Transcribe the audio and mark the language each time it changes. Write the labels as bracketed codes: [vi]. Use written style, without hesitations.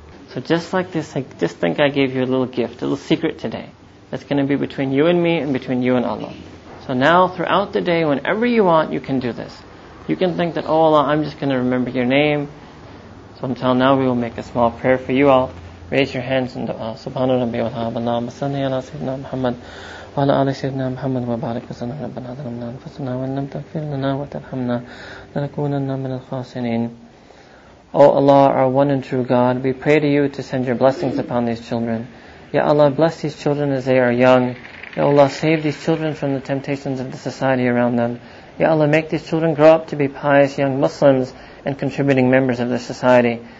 [en] So just like this, just think I gave you a little gift, a little secret today. That's going to be between you and me and between you and Allah. So now throughout the day, whenever you want, you can do this. You can think that, oh Allah, I'm just going to remember your name. So until now, we will make a small prayer for you all. Raise your hands and dua. [ar] Subhanahu Rabbi wa ta'ala. Masalli ala Sayyidina Muhammad. وعلى آل سيدنا محمد وبارك وسلم ربنا ظلمنا أنفسنا وإن لم تغفر لنا وترحمنا لنكونن من الخاسرين. [en] O Allah, our one and true God, we pray to you to send your blessings upon these children. Ya Allah, bless these children as they are young. Ya Allah, save these children from the temptations of the society around them. Ya Allah, make these children grow up to be pious young Muslims and contributing members of the society.